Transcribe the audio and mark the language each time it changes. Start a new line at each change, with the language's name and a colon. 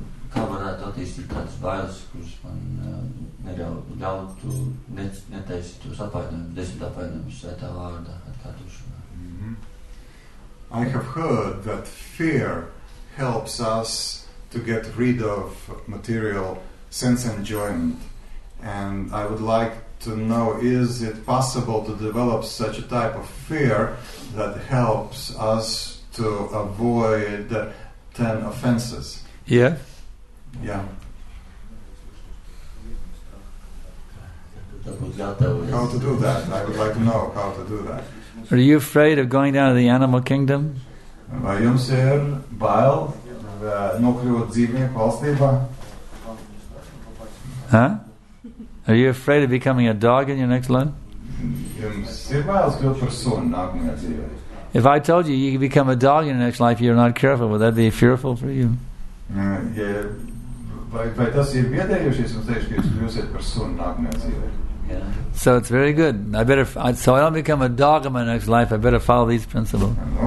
Latvian: Kā varētu attīstīt tādas bailes, kuras man neļautu netaisīt tos apvainojumus, 10 apvainojumus svētā vārda atkārtošanā?
English: I have heard that fear helps us to get rid of material sense enjoyment. And I would like to know, is it possible to develop such a type of fear that helps us to avoid 10 offenses? Yeah. Yeah. How to do that? I would like to know how to do that. Are you afraid of going down to the animal kingdom?
Latvian: Vai jums ir bail nokļūt dzīvnieku valstībā? Huh?
English: Are you afraid of becoming a dog in your next life?
Latvian: Jums ir bails kļūt par suni nākamajā dzīvē.
English: If I told you you could become a dog in your next life, you're not careful, would that be fearful for you?
Latvian: Vai tas ir biedējušies un teiks, ka jūs kļūsiet par suni nākamajā dzīvē?
English: So it's very good. I better so I don't become a dog in my next life. I better follow these principles.